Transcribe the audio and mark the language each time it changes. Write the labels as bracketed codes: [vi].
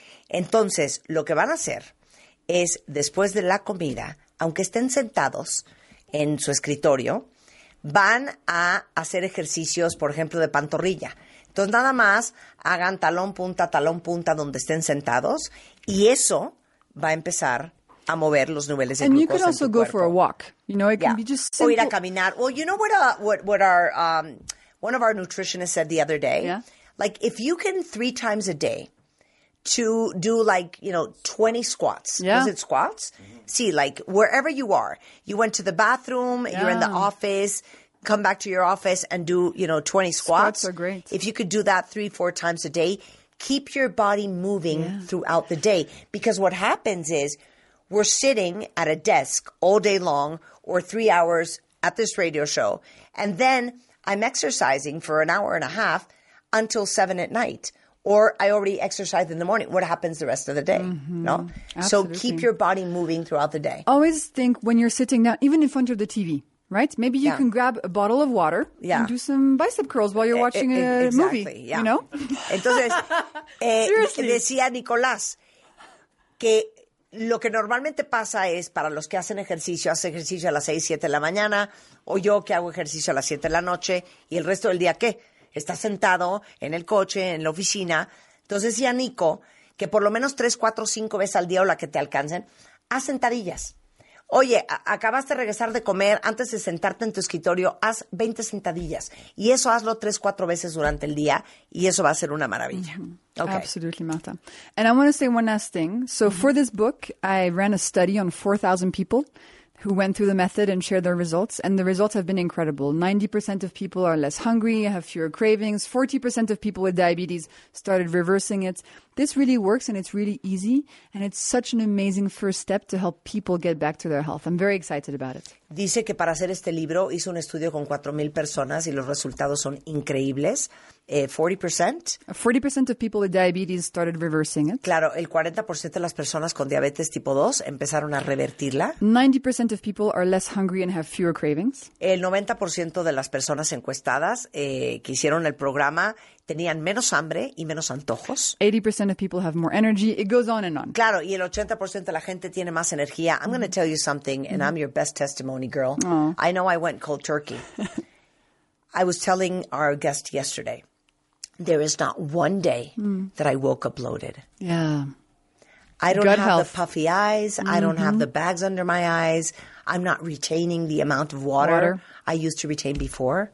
[es] Entonces, lo que van a hacer es después de la comida, aunque estén sentados en su escritorio, van a hacer ejercicios, por ejemplo, de pantorrilla. Entonces, nada más hagan talón, punta, donde estén sentados. Y eso va a empezar a mover los niveles de [en] and [es] glucosa en tu [en] cuerpo. And you can also go for a walk. You know, it can be just simple. [es] O ir a caminar. [en] Well, you know what our one of our nutritionists said the other day? Yeah. Like, if you can 3 times a day to do, like, you know, 20 squats. Yeah. Is it squats? See, like, wherever you are. You went to the bathroom. Yeah. You're in the office. Come back to your office and do, you know, 20 squats. Squats are great. If you could do that 3-4 times a day, keep your body moving throughout the day. Because what happens is we're sitting at a desk all day long or 3 hours at this radio show. And then I'm exercising for an hour and a half until 7 at night. Or I already exercise in the morning. What happens the rest of the day? Mm-hmm. [es] No? [en] Absolutely. So keep your body moving throughout the day. Always think when you're sitting down, even in front of the TV. Right? Maybe you can grab a bottle of water and do some bicep curls while you're watching a exactly, movie, yeah. you know? [es] Entonces, decía Nicolás que lo que normalmente pasa es para los que hacen ejercicio a las 6, 7 de la mañana, o yo que hago ejercicio a las 7 de la noche, y el resto del día, ¿qué? Está sentado en el coche, en la oficina. Entonces decía Nico que por lo menos 3, 4, 5 veces al día o la que te alcancen, haz sentadillas. Oye, acabas de regresar de comer, antes de sentarte en tu escritorio, haz 20 sentadillas. Y eso hazlo 3-4 veces durante el día y eso va a ser una maravilla. [en] Mm-hmm. Okay. Absolutely, Marta. And I want to say one last thing. So mm-hmm. for this book, I ran a study on 4,000 people who went through the method and shared their results. And the results have been incredible. 90% of people are less hungry, have fewer cravings. 40% of people with diabetes started reversing it. This really works and it's really easy. And it's such an amazing first step to help people get back to their health. I'm very excited about it. [es] Dice que para hacer este libro hizo un estudio con 4,000 personas y los resultados son increíbles. 40%. [en] 40% of people with diabetes started reversing it. [es] Claro, el 40% de las personas con diabetes tipo 2 empezaron a revertirla. [en] 90% of people are less hungry and have fewer cravings. [es] El 90% de las personas encuestadas que hicieron el programa tenían menos hambre y menos antojos. [en] 80% of people have more energy. It goes on and on. [es] Claro, y el 80% de la gente tiene más energía. [en] I'm going to tell you something, and I'm your best testimony, girl. Oh. I know I went cold turkey. I was telling our guest yesterday, there is not one day that I woke up bloated. Yeah. I don't Good have health. The puffy eyes. Mm-hmm. I don't have the bags under my eyes. I'm not retaining the amount of water I used to retain before.